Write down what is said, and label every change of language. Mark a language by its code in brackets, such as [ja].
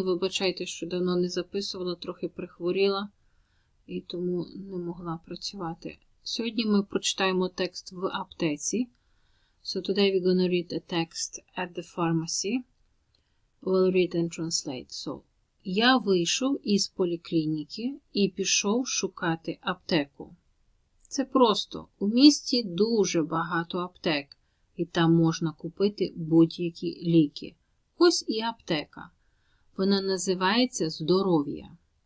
[uk] Вибачайте, що давно не записувала, трохи прихворіла і тому не могла працювати. Сьогодні ми прочитаємо текст в аптеці. [en] So today we're going to read a text at the pharmacy. We'll read and translate. [uk] So, я вийшов із поліклініки і пішов шукати аптеку. Це просто. У місті дуже багато аптек. І там можна купити будь-які ліки. Ось і аптека. Вона називається «Здоров'я».